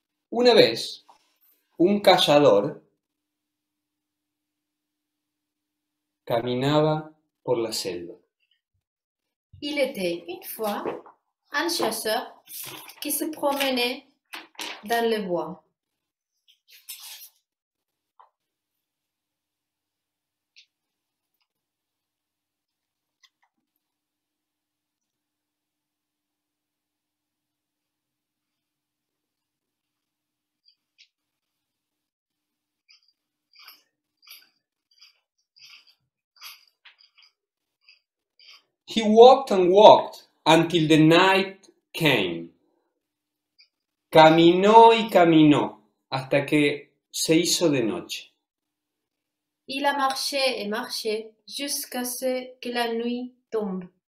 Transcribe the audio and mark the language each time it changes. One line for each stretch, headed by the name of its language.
Spanish: Una vez, un cazador caminaba por la selva.
French: Il était une fois un chasseur qui se promenait dans le bois.
English: He walked and walked until the night came.
Spanish: Caminó y caminó hasta que se hizo de noche.
French: Il a marché et marché jusqu'à ce que la nuit tombe.